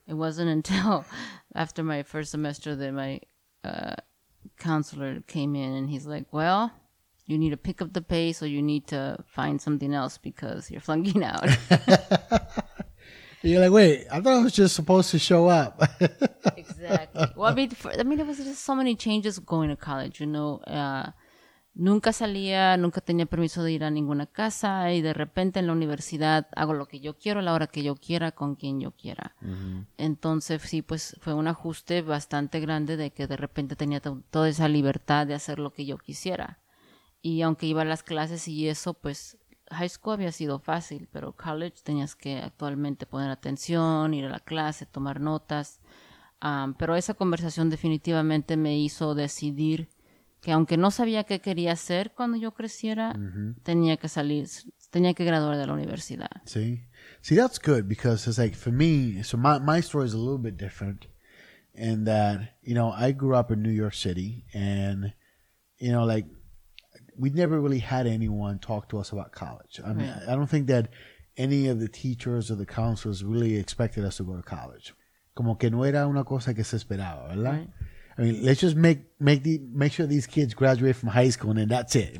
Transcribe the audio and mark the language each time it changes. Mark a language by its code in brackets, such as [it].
[en] It wasn't until after my first semester that my counselor came in and he's like, well, you need to pick up the pace or you need to find something else because you're flunking out. You're like, wait, I thought I was just supposed to show up. Exactly. Well, I mean, there was just so many changes going to college, you know. [es] Nunca salía, nunca tenía permiso de ir a ninguna casa y de repente en la universidad hago lo que yo quiero, la hora que yo quiera, con quien yo quiera. Mm-hmm. Entonces, sí, pues fue un ajuste bastante grande de que de repente tenía toda esa libertad de hacer lo que yo quisiera. Y aunque iba a las clases y eso, pues high school había sido fácil, pero college tenías que actualmente poner atención, ir a la clase, tomar notas. Pero esa conversación definitivamente me hizo decidir que aunque no sabía qué quería hacer cuando yo creciera, mm-hmm. tenía que graduar de la universidad. [en] See, that's good because it's like for me, so my story is a little bit different in that, you know, I grew up in New York City and, you know, like we never really had anyone talk to us about college. I mean, right. I don't think that any of the teachers or the counselors really expected us to go to college. [es] Como que no era una cosa que se esperaba, ¿verdad? [en] Right. I mean, let's just make sure these kids graduate from high school and then that's it.